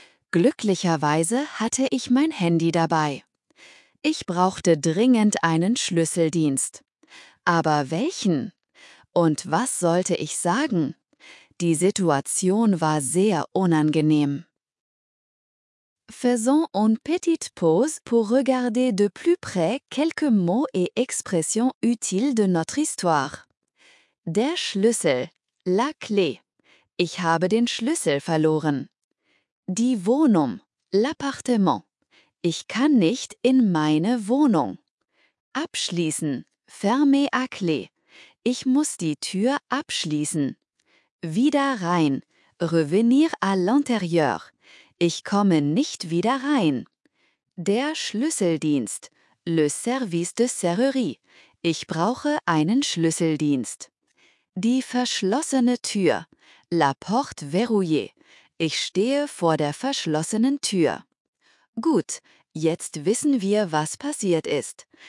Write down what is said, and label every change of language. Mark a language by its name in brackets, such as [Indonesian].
[German] Glücklicherweise hatte ich mein Handy dabei. Ich brauchte dringend einen Schlüsseldienst. Aber welchen? Und was sollte ich sagen? Die Situation war sehr unangenehm. [French] Faisons une petite pause pour regarder de plus près quelques mots et expressions utiles de notre histoire. [German] Der Schlüssel, [French] la clé. [German] Ich habe den Schlüssel verloren. Die Wohnung, [French] l'appartement. [German] Ich kann nicht in meine Wohnung. Abschließen, [French] fermer à clé. [German] Ich muss die Tür abschließen. Wieder rein, [French] revenir à l'intérieur. [German] Ich komme nicht wieder rein. Der Schlüsseldienst, [French] le service de serrurerie. [German] Ich brauche einen Schlüsseldienst. Die verschlossene Tür, [French] la porte verrouillée. [German] Ich stehe vor der verschlossenen Tür. Gut, jetzt wissen wir, was passiert ist.